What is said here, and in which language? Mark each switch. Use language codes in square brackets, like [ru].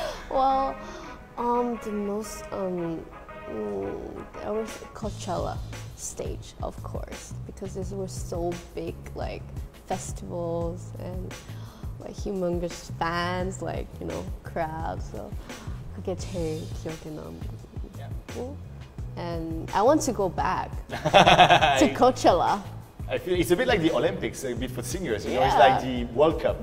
[en] Well, the most there was Coachella stage, of course, because this was so big, like festivals and like humongous fans, like you know crowds. [ko] So, 그게 제일 기억에 남고. [en] And I want to go back to Coachella. I feel it's a bit like the Olympics, a bit for singers, you know, it's like the World Cup.